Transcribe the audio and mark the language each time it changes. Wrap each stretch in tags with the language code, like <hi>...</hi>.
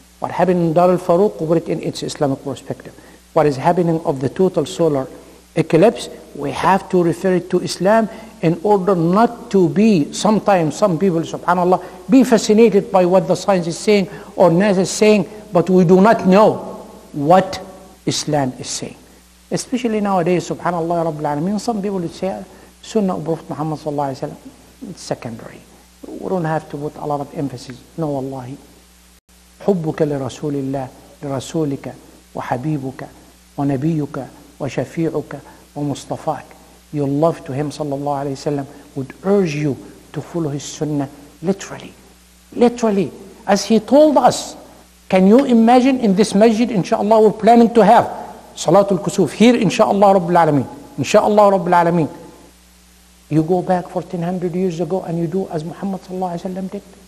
<en>What happened in Dar al-Faruq, put it in its Islamic perspective. What is happening of the total solar eclipse, we have to refer it to Islam in order not to be, sometimes some people, subhanAllah, be fascinated by what the science is saying or NASA is saying, but we do not know what Islam is saying. Especially nowadays,</en> <ar>subhanAllah, Rabbil Alameen,</ar> <en>some people would say, Sunnah of Prophet Muhammad</en> <ar>sallallahu alayhi wa sallam,</ar> <en>it's secondary. We don't have to put a lot of emphasis. No, wallahi.</en> <ar>حبك لرسول الله لرسولك وحبيبك ونبيك وشفيعك ومصطفاك.</ar> <en>You love to him</en> <ar>sallallahu alayhi wa sallam,</ar> <en>would urge you to follow his sunnah literally. Literally. As he told us, can you imagine in this masjid, inshallah, we're planning to have Salatul Kusuf here,</en> <ar>inshallah, Rabbil Alameen. Inshallah, Rabbil Alameen.</ar> <en>You go back 1400 years ago and you do as Muhammad</en> <ar>sallallahu alayhi wa sallam</ar> <en>did.</en>